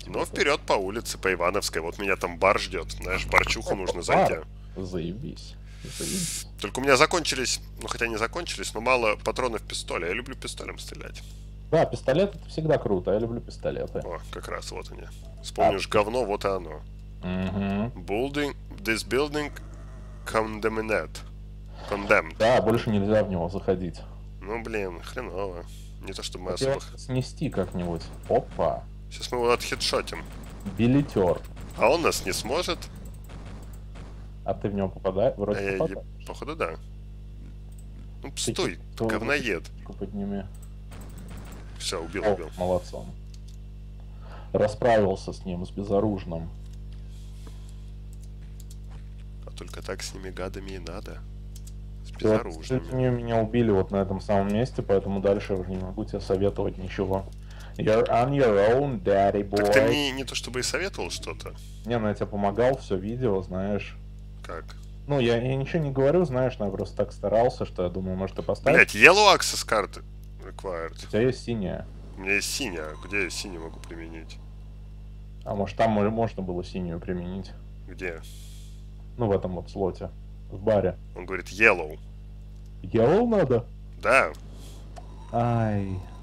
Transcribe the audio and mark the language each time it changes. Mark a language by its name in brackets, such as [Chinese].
[Russian] Ну, вперед по улице, по Ивановской. Вот меня там бар ждет. Знаешь, барчуху нужно зайти. Заебись. Только у меня закончились, ну хотя не закончились, но мало патронов в пистоле. Я люблю пистолем стрелять. Да, пистолет — это всегда круто. Я люблю пистолеты. О, как раз, вот они. Вспомнишь говно, вот и оно. [English] Building, this building condemned. Condemned. [Russian] Да, больше нельзя в него заходить. Ну, блин, хреново. Не то, чтобы мы особо... Снести как-нибудь. Опа. Сейчас мы его отхедшотим. Билетер. А он нас не сможет. А ты в него попадаешь? Вроде попадаешь. Походу, да. Ну, стой, говноед. Подними. Все, убил. Молодцом. Расправился с ним, с безоружным. А только так с ними гадами и надо. Безоружными. Кстати, они меня убили вот на этом самом месте, поэтому дальше я уже не могу тебе советовать ничего. [English] You're on your own, daddy boy. [Russian] Так ты мне не то чтобы и советовал что-то? Не, ну я тебе помогал, все видео, знаешь. Как? Ну, я ничего не говорю, знаешь, но я просто так старался, что я думаю, может, ты поставишь. Блять, [English] yellow access card required. [Russian] У тебя есть синяя. У меня есть синяя, где я синюю могу применить? А может, там можно было синюю применить? Где? Ну, в этом вот слоте. В баре. Он говорит yellow. Yellow надо? Да. Ай.